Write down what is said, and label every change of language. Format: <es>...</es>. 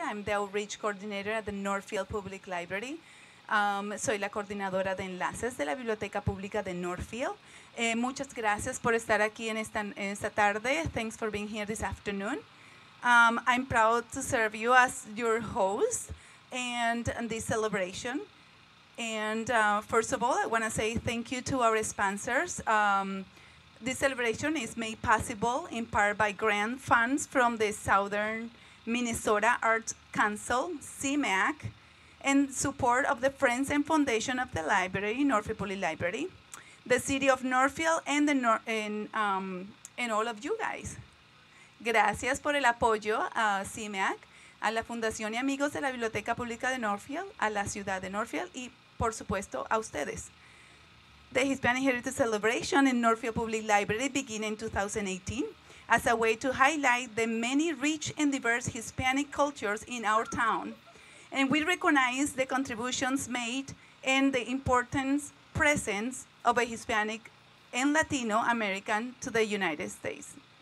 <en>I'm the outreach coordinator at the Northfield Public Library.</en> <es>Soy la coordinadora de enlaces de la Biblioteca Pública de Northfield. Muchas gracias por estar aquí en esta tarde.</es> <en>Thanks for being here this afternoon. I'm proud to serve you as your host and this celebration. And first of all, I want to say thank you to our sponsors. This celebration is made possible in part by grant funds from the Southern Minnesota Arts Council, CMAC, and support of the Friends and Foundation of the Library, Northfield Public Library, the City of Northfield, and, and all of you guys.</en> <es>Gracias por el apoyo a CMAC, a la Fundación y Amigos de la Biblioteca Pública de Northfield, a la Ciudad de Northfield, y por supuesto a ustedes.</es> <en>The Hispanic Heritage Celebration in Northfield Public Library began in 2018 as a way to highlight the many rich and diverse Hispanic cultures in our town. And we recognize the contributions made and the important presence of a Hispanic and Latino American to the United States.</en>